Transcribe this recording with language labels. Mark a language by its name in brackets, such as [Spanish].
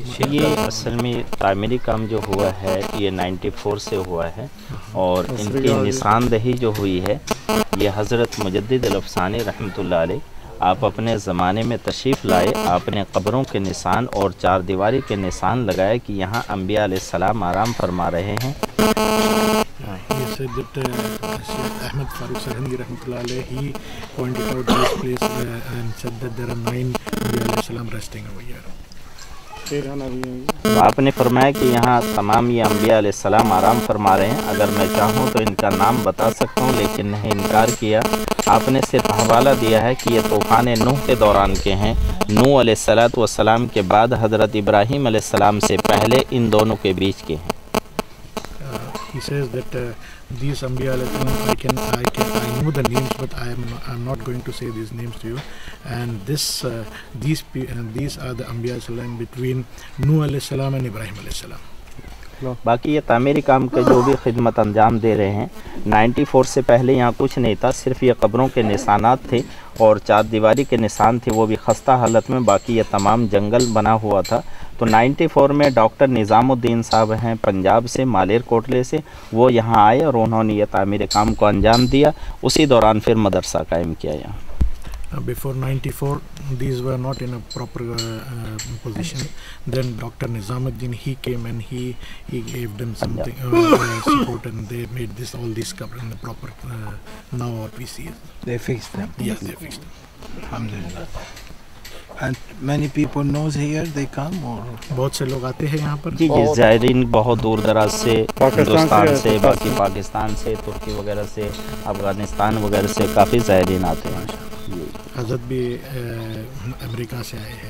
[Urdu] یہ اصل میں پرائمری کام جو ہوا ہے یہ 94 سے ہوا ہے اور ان کی نشان دہی جو ہوئی ہے یہ حضرت مجدد الافسانی رحمت اللہ علیہ آپ اپنے زمانے میں تشریف لائے آپ نے قبروں کے نشان اور چار دیواری کے نشان لگائے کہ یہاں انبیاء علیہ السلام آرام فرما رہے ہیں [English] that Shaykh Ahmad Al-Farouqi As-Sirhindi rahmatullah alayhi, he pointed out this place and said that there are nine Nabi alayhi salam resting over here. [Urdu] آپ نے فرمایا کہ یہاں تمام یہ انبیاء علیہ السلام آرام فرما رہے ہیں. اگر میں چاہوں تو ان کا نام بتا سکتا ہوں لیکن نہیں انکار کیا. آپ نے صرف حوالہ دیا ہے کہ یہ طوفان نوح کے دوران کے ہیں. نوح علیہ السلام کے بعد حضرت ابراہیم علیہ السلام سے پہلے ان دونوں کے بیچ کے ہیں. [English] He says that these Anbiya alayhi I know the names, but I'm not going to say these names to you. And these are the Anbiya alayhi salam between Nuh alayhi salam and Ibrahim alayhi salam. [Urdu] باقی یہ تعمیری کام کے جو بھی خدمت انجام دے رہے ہیں 94 سے پہلے یہاں کچھ نہیں تھا, صرف یہ قبروں کے نشانات تھے اور چار دیواری کے نشان تھے وہ بھی خستہ حالت میں, باقی یہ تمام جنگل بنا ہوا تھا. تو 94 میں ڈاکٹر نظام الدین صاحب ہیں پنجاب سے مالیر کوٹلے سے, وہ یہاں آئے اور انہوں نے یہ تعمیری کام کو انجام دیا. اسی دوران پھر مدرسہ قائم کیا یہاں. [English] Before 94, these were not in a proper position. Then Dr. Nizamuddin, he came and he gave them something support, and they made this all these cover in the proper. Now what we see is they fixed them. Yes, they fixed them. Alhamdulillah. And many people knows here, they come or? [Urdu] بہت سے لوگ آتے ہیں یہاں پر جی جی زائرین بہت دور دراز سے ہندوستان سے باقی پاکستان سے ترکی وغیرہ سے افغانستان وغیرہ سے کافی زائرین آتے ہیں حضرت بھی امریکہ سے آئے ہیں